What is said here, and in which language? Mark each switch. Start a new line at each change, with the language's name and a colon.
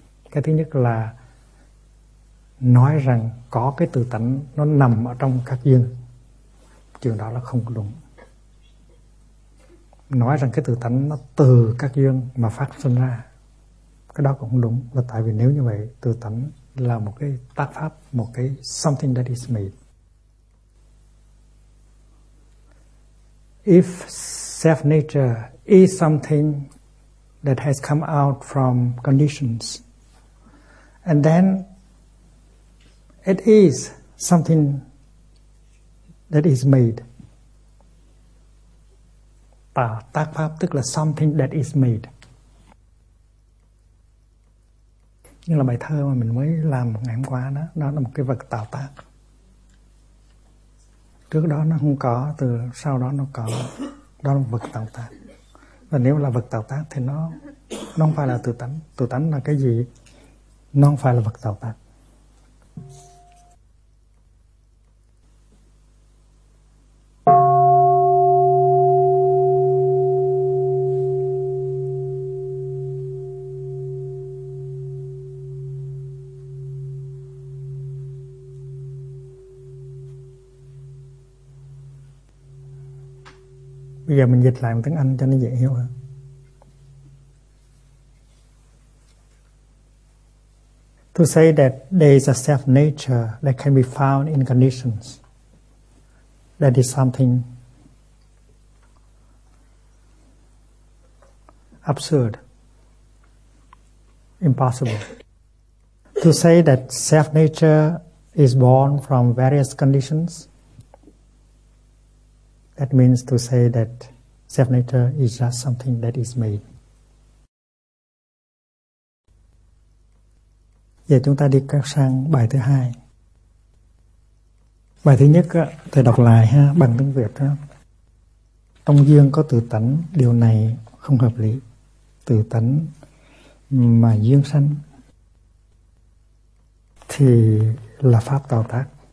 Vietnamese: Cái thứ nhất là nói rằng có cái tự tánh nó nằm ở trong các duyên, chuyện đó là không đúng. Nói rằng cái tự tánh nó từ các duyên mà phát sinh ra, cái đó cũng không đúng. Là tại vì nếu như vậy, tự tánh là một cái tác pháp, một cái
English: something that is made. If self nature is something that has come out from conditions, and then it is something that is made.
Vietnamese: Tác pháp tức là
English: something that is made.
Vietnamese: Như là bài thơ mà mình mới làm ngày hôm qua đó, nó là một cái vật tạo tác. Trước đó nó không có, từ sau đó nó có. Đó là một vật tạo tác. Và nếu là vật tạo tác thì nó không phải là tự tánh. Tự tánh là cái gì? Nó không phải là vật tạo tác. Bây giờ mình dịch lại bằng tiếng Anh cho nó dễ hiểu hơn.
English: To say that there is a self nature that can be found in conditions, that is something absurd, impossible. To say that self nature is born from various conditions, that means to say that self nature is just something that is made.
Vietnamese: Giờ chúng ta đi sang bài thứ hai. Bài thứ nhất thầy đọc lại ha, bằng tiếng Việt ha. Trong duyên có tự tánh, điều này không hợp lý. Tự tánh mà duyên sanh thì là pháp tạo tác.